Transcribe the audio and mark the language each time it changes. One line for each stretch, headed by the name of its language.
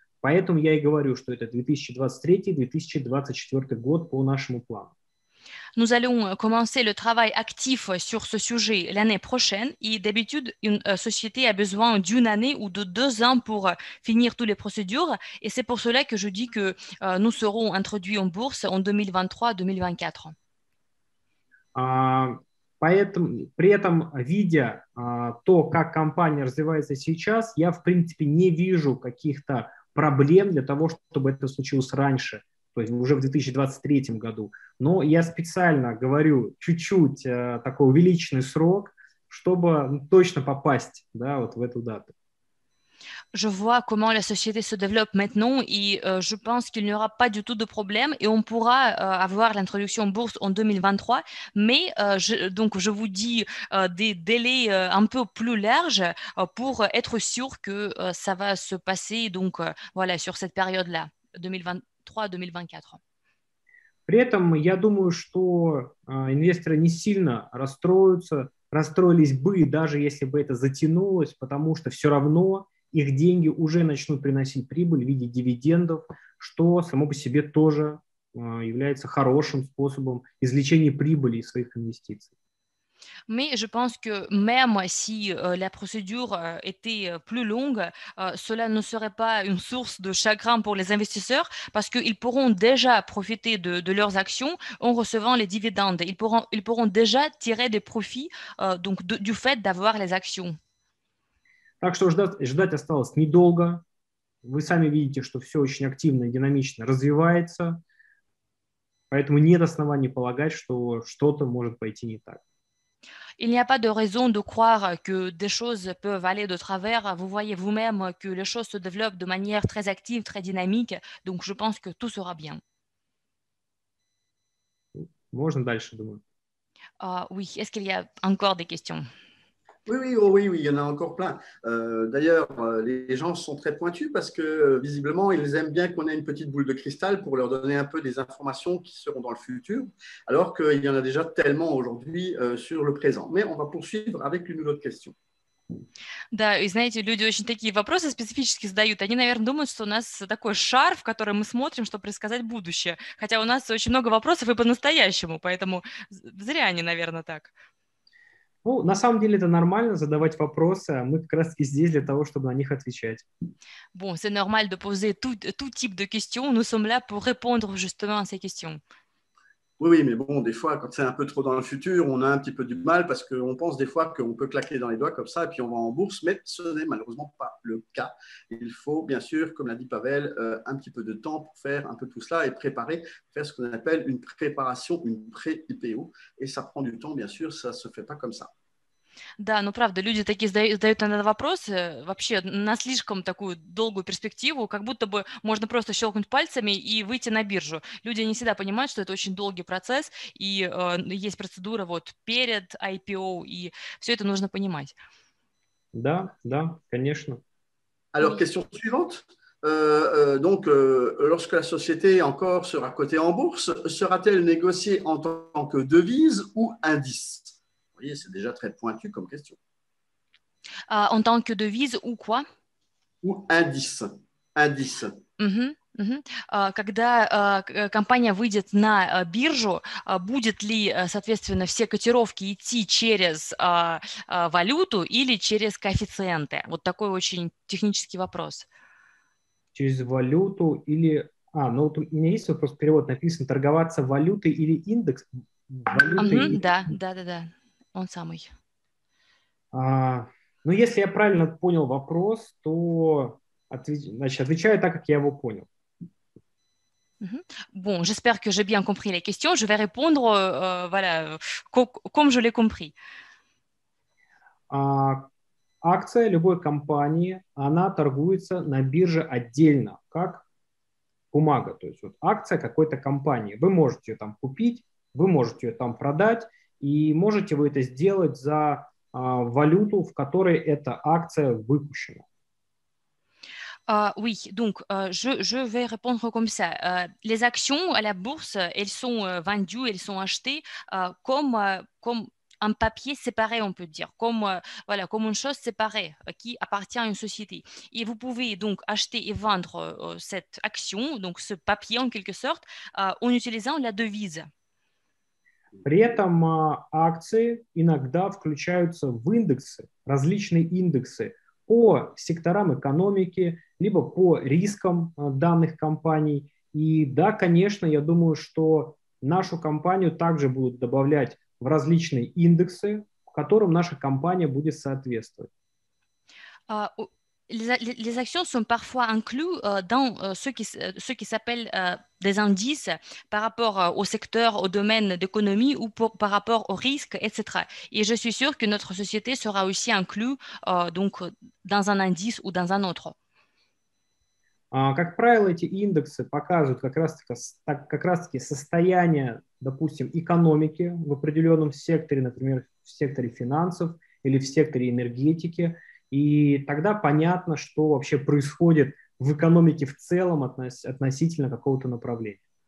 Russian: Поэтому я и говорю, что это 2023-2024 год по нашему плану.
French: Nous allons commencer le travail actif sur ce sujet l'année prochaine et d'habitude, une société a besoin d'une année ou de 2 ans pour finir toutes les procédures et c'est pour cela que je dis que nous serons introduits en bourse en 2023-2024.
Russian: Поэтому, при этом, видя то, как компания развивается сейчас, я, в принципе, не вижу каких-то проблем для того, чтобы это случилось раньше, то есть уже в 2023 году. Но я специально говорю чуть-чуть такой увеличенный срок, чтобы точно попасть, да, вот в эту дату.
French: Je vois comment la société se développe maintenant et je pense qu'il n'y aura pas du tout de problème et on pourra avoir l'introduction en bourse en 2023. Mais donc je vous dis des délais un peu plus larges pour être sûr que ça va se passer donc voilà sur cette période-là, 2023-2024.
Russian: При этом я думаю, что инвесторы не сильно расстроились бы, даже если бы это затянулось, потому что все равно их деньги уже начнут приносить прибыль в виде дивидендов, что само по себе тоже является хорошим способом извлечения прибыли из своих инвестиций.
French: Mais je pense que même si la procédure était plus longue, cela ne serait pas une source de chagrin pour les investisseurs parce qu'ils pourront déjà profiter de leurs actions en recevant les dividendes. Ils pourront déjà tirer des profits donc du fait d'avoir les actions.
Russian: Так что ждать осталось недолго. Вы сами видите, что все очень активно и динамично развивается. Поэтому нет оснований полагать, что что-то может пойти не так.
French: Il n'y a pas de raison de croire que des choses peuvent aller de travers. Vous voyez vous-même que les choses se développent de manière très active, très dynamique. Donc, je pense que tout sera bien.
Russian: Можно дальше, думаю.
French: Oui, est-ce qu'il y a encore des questions? Oui, oh oui, il y en a encore plein. D'ailleurs, les gens sont très pointus parce que, visiblement, ils aiment bien qu'on ait une petite boule de cristal pour leur donner un peu des informations qui seront dans le futur, alors qu'il y en a déjà tellement aujourd'hui, sur le présent. Mais on va poursuivre avec une autre question.
Russian: Да, и знаете, люди очень такие вопросы специфически задают. Они, наверное, думают, что у нас такой шар, в который мы смотрим, чтобы предсказать будущее. Хотя у нас очень много вопросов и по-настоящему, поэтому зря они, наверное, так. Ну, на самом деле это нормально задавать вопросы, а мы как раз и здесь для того, чтобы на них отвечать.
French: Bon, c'est normal de poser tout type de questions. Nous sommes là pour répondre justement à ces questions. Oui, mais bon, des fois, quand c'est un peu trop dans le futur, on a un petit peu du mal parce qu'on pense des fois qu'on peut claquer dans les doigts comme ça et puis on va en bourse, mais ce n'est malheureusement pas le cas. Il faut bien sûr, comme l'a dit Pavel, un petit peu de temps pour faire un peu tout cela et préparer, faire ce qu'on appelle une préparation, une pré-IPO. Et ça prend du temps, bien sûr, ça ne se fait pas comme ça.
Russian: Да, ну правда, люди такие задают иногда вопросы вообще на слишком такую долгую перспективу, как будто бы можно просто щелкнуть пальцами и выйти на биржу. Люди не всегда понимают, что это очень долгий процесс, и есть процедура вот перед IPO, и все это нужно понимать. Да, конечно.
French: Alors, question suivante. Lorsque la société encore sera cotée en bourse, sera-t-elle négociée en tant que devise ou indice? Vous voyez, c'est déjà très pointu comme question. En tant que devise ou quoi? Ou indice. Indice.
Russian: Когда компания выйдет на биржу, будет ли, соответственно, все котировки идти через валюту или через коэффициенты? Вот такой очень технический вопрос. Через валюту или... ну вот у меня есть вопрос, перевод написан, торговаться валютой или индекс? Валютой или... Да, он самый. Ну, если я правильно понял вопрос, то значит, отвечаю так, как я его понял.
French: Bon, j'espère que j'ai bien compris les questions. Je vais répondre, voilà, comme je l'ai compris.
Russian: Акция любой компании, она торгуется на бирже отдельно, как бумага. То есть вот акция какой-то компании. Вы можете ее там купить, вы можете ее там продать, и можете вы это сделать за валюту, в которой эта акция выпущена.
French: Oui, donc je vais répondre comme ça. Les actions à la bourse, elles sont vendues, elles sont achetées comme un papier séparé, on peut dire, comme voilà, comme une chose séparée qui appartient à une société. Et vous pouvez donc acheter et vendre cette action, donc ce papier en quelque sorte, en utilisant la devise.
Russian: При этом акции иногда включаются в индексы, различные индексы по секторам экономики, либо по рискам данных компаний. И да, конечно, я думаю, что нашу компанию также будут добавлять в различные индексы, которым наша компания будет соответствовать.
French: Les actions sont parfois incluses dans ce qui s'appelle des indices par rapport au secteur, au domaine d'économie ou par rapport au risque, etc. Et je suis sûre que notre société sera aussi incluse donc dans un indice ou dans un autre.
Russian: Как правило, эти индексы показывают как раз-таки состояние, допустим, экономики в определенном секторе, например, в секторе финансов или в секторе энергетики. И тогда понятно, что вообще происходит в экономике в целом относительно какого-то направления.